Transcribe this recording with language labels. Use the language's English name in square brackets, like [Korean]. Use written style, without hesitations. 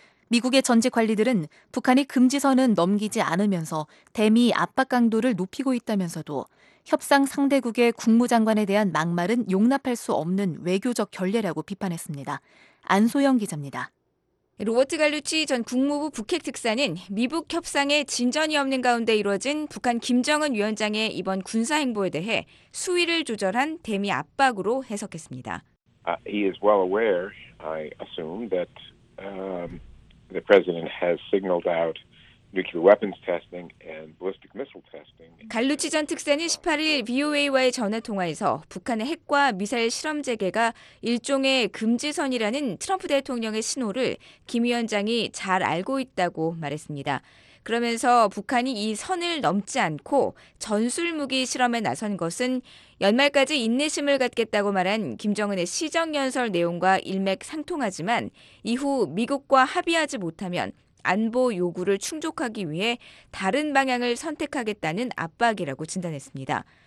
[Korean] 미국의 전직 관리들은 북한이 금지선은 넘기지 않으면서 대미 압박 강도를 높이고 있다면서도 협상 상대국의 국무장관에 대한 막말은 용납할 수 없는 외교적 결례라고 비판했습니다. 안소영 기자입니다. 로버트 갈루치 전 국무부 북핵 특사는 미북 협상에 진전이 없는 가운데 이뤄진 북한 김정은 위원장의 이번 군사 행보에 대해 수위를 조절한 대미 압박으로 해석했습니다. [English] He is well aware, I assume, that the president has signaled out nuclear weapons testing and ballistic missile testing. [Korean] 갈루치 전 특사는 18일 VOA와의 전화 통화에서 북한의 핵과 미사일 실험 재개가 일종의 금지선이라는 트럼프 대통령의 신호를 김 위원장이 잘 알고 있다고 말했습니다. 그러면서 북한이 이 선을 넘지 않고 전술 무기 실험에 나선 것은 연말까지 인내심을 갖겠다고 말한 김정은의 시정연설 내용과 일맥상통하지만 이후 미국과 합의하지 못하면 안보 요구를 충족하기 위해 다른 방향을 선택하겠다는 압박이라고 진단했습니다.